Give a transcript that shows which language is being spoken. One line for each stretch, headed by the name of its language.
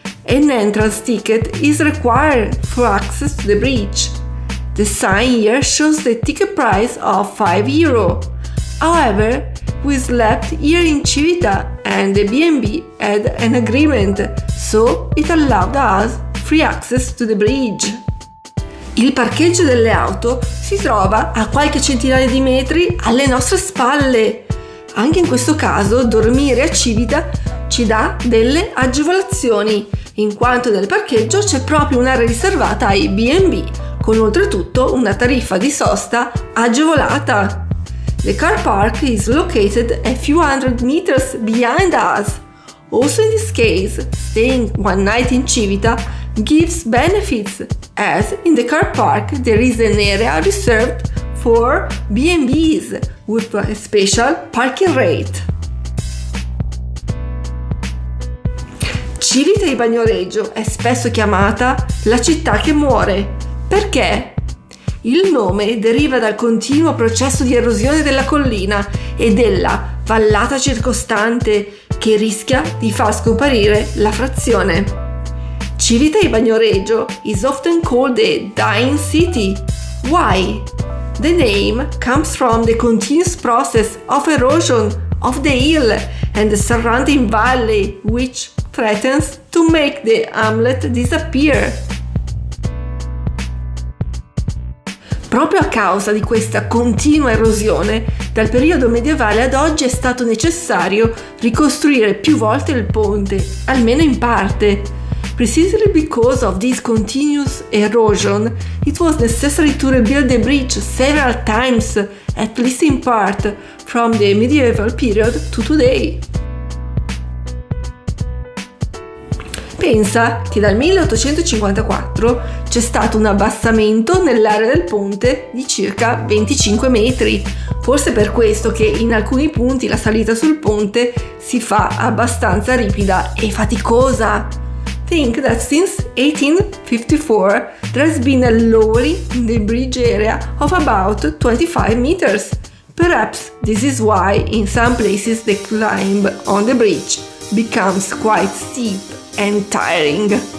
English: An entrance ticket is required for access to the bridge. The sign here shows the ticket price of 5 euro. However, we slept here in Civita and the B&B had an agreement, so it allowed us free access to the bridge.
Italian: Il parcheggio delle auto si trova a qualche centinaia di metri alle nostre spalle. Anche in questo caso, dormire a Civita ci dà delle agevolazioni, in quanto nel parcheggio c'è proprio un'area riservata ai B&B, con oltretutto una tariffa di sosta agevolata.
English: The car park is located a few hundred meters behind us. Also in this case, staying one night in Civita gives benefits, as in the car park there is an area reserved for B&Bs with a special parking rate.
Italian: Civita di Bagnoregio è spesso chiamata la città che muore. Perché? Il nome deriva dal continuo processo di erosione della collina e della vallata circostante che rischia di far scomparire la frazione.
English: Civita di Bagnoregio is often called the dying city. Why? The name comes from the continuous process of erosion of the hill and the surrounding valley, which threatens to make the hamlet disappear.
Italian: Proprio a causa di questa continua erosione, dal periodo medievale ad oggi è stato necessario ricostruire più volte il ponte, almeno in parte.
English: Precisely because of this continuous erosion, it was necessary to rebuild the bridge several times, at least in part, from the medieval period to today.
Italian: Pensa che dal 1854 c'è stato un abbassamento nell'area del ponte di circa 25 metri. Forse per questo che in alcuni punti la salita sul ponte si fa abbastanza ripida e faticosa.
English: Think that since 1854 there has been a lowering in the bridge area of about 25 meters. Perhaps this is why in some places the climb on the bridge becomes quite steep and tiring.